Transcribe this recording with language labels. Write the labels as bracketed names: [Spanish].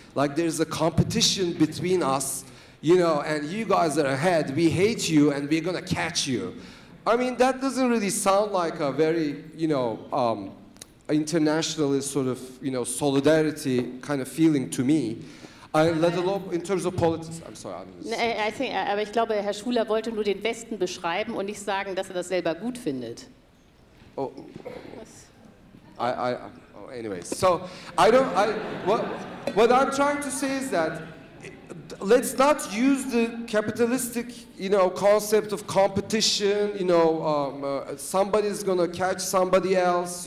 [English] Like there's a competition between us, you know, and you guys are ahead, we hate you and we're gonna catch you. I mean, that doesn't really sound like a very, you know, internationalist sort of, you know, solidarity kind of feeling to me. [German] Aber ich glaube, Herr Schuler wollte nur den Westen beschreiben und nicht sagen, dass er das selber gut findet. [English] Anyways, so I don't. What I'm trying to say is that let's not use the capitalistic, you know, concept of competition. You know, somebody is going to catch somebody else.